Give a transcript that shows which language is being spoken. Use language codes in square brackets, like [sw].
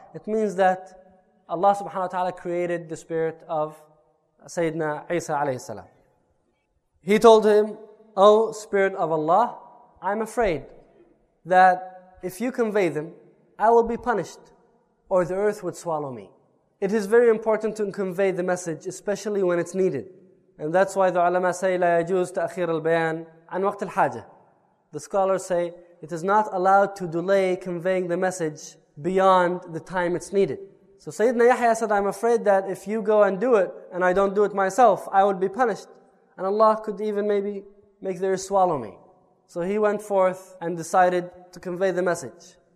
[en] It means that Allah subhanahu wa ta'ala created the Spirit of Sayyidina Isa alayhi salam. He told him, Oh, Spirit of Allah, I'm afraid that if you convey them, I will be punished or the earth would swallow me. It is very important to convey the message, especially when it's needed. And that's why the ulama say, [ar] لا يجوز تأخير البيان عن وقت الحاجة. [en] The scholars say, it is not allowed to delay conveying the message beyond the time it's needed. So Sayyidina Yahya said, I'm afraid that if you go and do it, and I don't do it myself, I would be punished. And Allah could even maybe make the earth swallow me. So he went forth and decided to convey the message.